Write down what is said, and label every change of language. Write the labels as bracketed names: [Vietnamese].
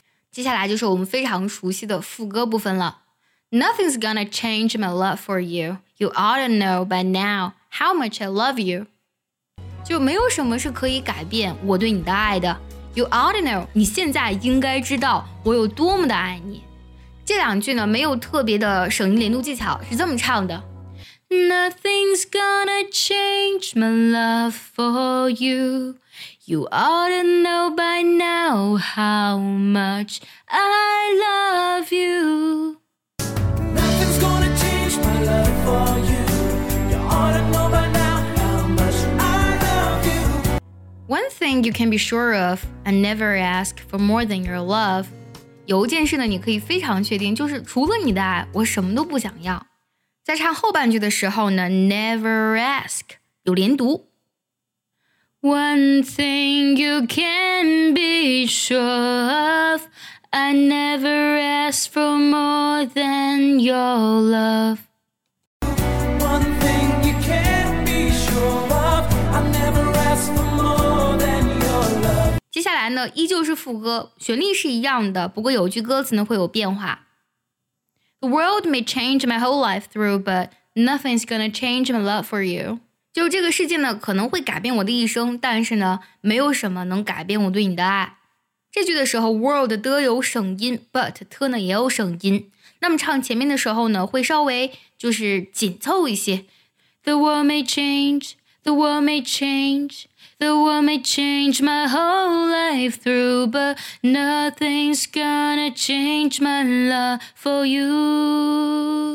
[Chinese] 接下来就是我们非常熟悉的副歌部分了。 [English] Nothing's gonna change my love for you. You ought to know by now how much I love you. [Chinese] 就没有什么是可以改变我对你的爱的。 [English] You ought to know, [Chinese] 你现在应该知道我有多么的爱你。这两句呢没有特别的省音连读技巧，是这么唱的。 [English] Nothing's gonna change my love for you. You ought to know by now how much I love you. Nothing's gonna change my love for you. You ought to know by now how much I love you. One thing you can be sure of, I never ask for more than your love. [Chinese] 有一件事呢，你可以非常确定，就是除了你的爱，我什么都不想要。在唱后半句的时候呢 ， [English] never ask [Chinese] 有连读。 [English] One thing you can be sure of, I never ask for more than your love. One thing you can be sure of, I never ask for more than your love. [Chinese] 接下来呢，依旧是副歌，旋律是一样的，不过有句歌词呢会有变化。 [English] The world may change my whole life through, but nothing's gonna change my love for you. [Chinese] 就这个世界呢可能会改变我的一生，但是呢没有什么能改变我对你的爱。这句的时候 world 的有省音 but 特呢也有省音。那么唱前面的时候呢会稍微就是紧凑一些。 [English] The world may change, the world may change, the world may change my whole life through, but nothing's gonna change my love for you.